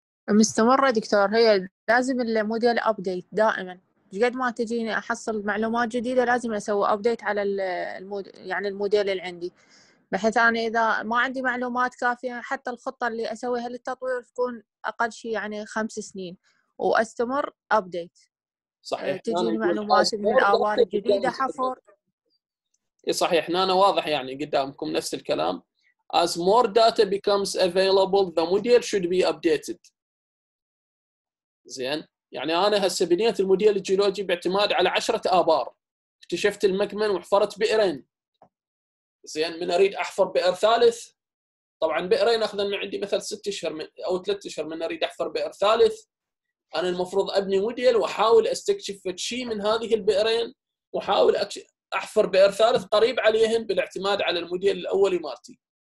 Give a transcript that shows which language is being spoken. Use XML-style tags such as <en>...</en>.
<ar>مستمرة دكتور، هي لازم الموديل ابديت دائما، قد ما تجيني احصل معلومات جديدة لازم اسوي ابديت على يعني الموديل اللي عندي، بحيث انا اذا ما عندي معلومات كافية حتى الخطة اللي اسويها للتطوير تكون اقل شيء يعني 5 سنين، واستمر ابديت. صحيح، تجيني يعني معلومات من الاوار الجديدة حفر. صحيح، هنا واضح يعني قدامكم نفس الكلام.</ar> <en>As more data becomes available the model should be updated.</en> <ar>زين، يعني انا هسه بنيت الموديل الجيولوجي باعتماد على 10 ابار، اكتشفت المكمن وحفرت بئرين. زين، من اريد احفر بئر ثالث، طبعا بئرين اخذ من عندي مثلا 6 اشهر او 3 اشهر، من اريد احفر بئر ثالث انا المفروض ابني موديل واحاول استكشف شيء من هذه البئرين واحاول احفر بئر ثالث قريب عليهم بالاعتماد على الموديل الاولي مارتي.</ar>